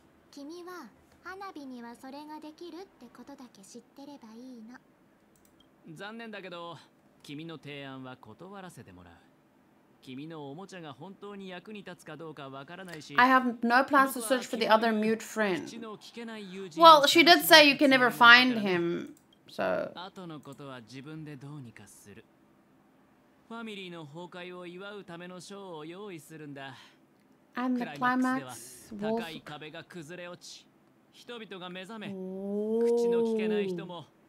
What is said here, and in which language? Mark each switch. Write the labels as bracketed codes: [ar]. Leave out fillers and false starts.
[ja] 君は花火にはそれができるってことだけ知ってればいいの。残念だけど君の提案は断らせてもらう。君のおもちゃが本当に役に立つかどうかわからないし。 [en] I have no plans to search for the other mute friend. Well, she did say you can never find him. So. [ja] 後のことは自分でどうにかする。ファミリーの崩壊を祝うためのショーを用意するんだ。 [en] And the climax was [ja] 高い壁が崩れ落ち、人々が目覚め、口の聞けない人も。